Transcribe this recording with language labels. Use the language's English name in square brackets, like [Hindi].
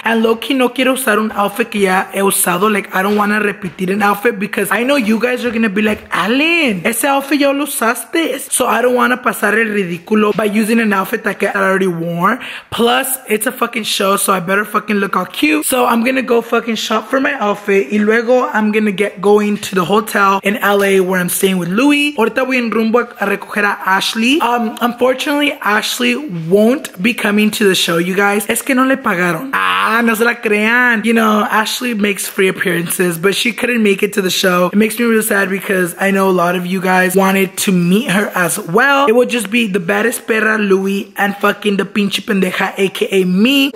[English] And low-key [Spanish] no quiero usar un outfit que ya he usado. [English] Like, I don't wanna repetir an outfit because I know you guys are gonna be like, Alan, [Spanish] ese outfit ya lo usaste. [English] So I don't wanna [Spanish] pasar el ridículo [English] by using an outfit that I already wore. Plus, it's a fucking show, so I better fucking look all cute. So I'm gonna go fucking shop for my outfit [Spanish] y luego [English] I'm gonna get going to the hotel in LA where I'm staying with Louie. [Spanish] Ahorita voy en rumbo a recoger a Ashley. [English] Unfortunately, Ashley won't be coming to the show, you guys. [Spanish] Es que no le pagaron. Ah, no se la crean. [English] You know, Ashley makes free appearances, but she couldn't make it to the show. It makes me really sad because I know a lot of you guys wanted to meet her as well. It would just be the baddest perra, Louie, and fucking the [Spanish] pinche pendeja, [English] aka me.